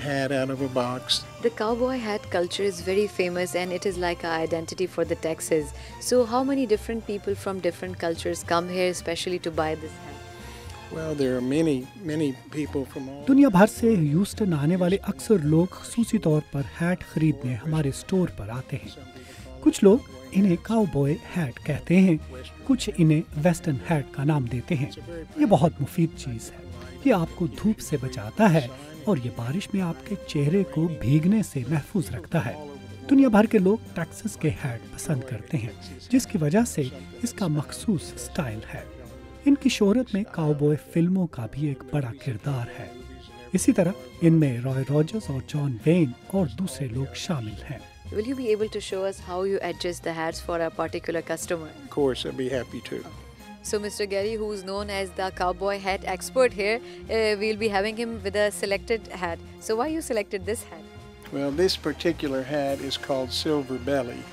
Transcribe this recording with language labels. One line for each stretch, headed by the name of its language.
English: The cowboy hat culture is very famous and it is like our identity for the Texas. So how many different people from different cultures come here especially to buy this hat? Well, there are many people from all.
Hindi: दुनिया भर से Houston आने वाले अक्सर लोग खुसूसी तौर पर hat खरीदने हमारे स्टोर पर आते हैं। कुछ लोग इन्हें काउबॉय हैट कहते हैं, कुछ इन्हें वेस्टर्न हैट का नाम देते हैं। ये बहुत मुफीद चीज है, ये आपको धूप से बचाता है और ये बारिश में आपके चेहरे को भीगने से महफूज रखता है। दुनिया भर के लोग टेक्सस के हैट पसंद करते हैं, जिसकी वजह से इसका मखसूस स्टाइल है। इनकी शोहरत में काउबॉय फिल्मों का भी एक बड़ा किरदार है। इसी तरह इनमें रॉय रॉजर्स और जॉन वेन और दूसरे लोग शामिल हैं।
English: Will you be able to show us how you adjust the hats for a particular customer? Of course, I'd be happy to. So Mr. Gary, who is known as the cowboy hat expert here, we'll be having him with a selected hat. So why you selected this hat? Well, this particular hat is called Silver Belly.